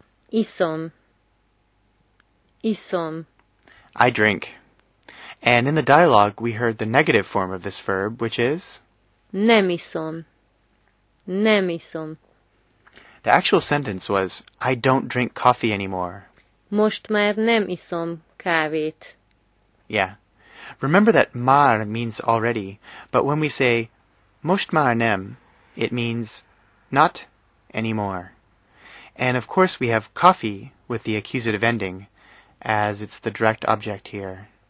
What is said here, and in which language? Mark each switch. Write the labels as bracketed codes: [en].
[hu] Iszom. Iszom. [en] I drink. And in the dialogue, we heard the negative form of this verb, which is? [hu] Nem iszom. Nem iszom. [en] The actual sentence was, I don't drink coffee anymore. [hu] Most már nem iszom kávét. [en] Yeah. Remember that mar means already, but when we say [hu] most mar nem, [en] it means not anymore. And of course we have coffee with the accusative ending, as it's the direct object here.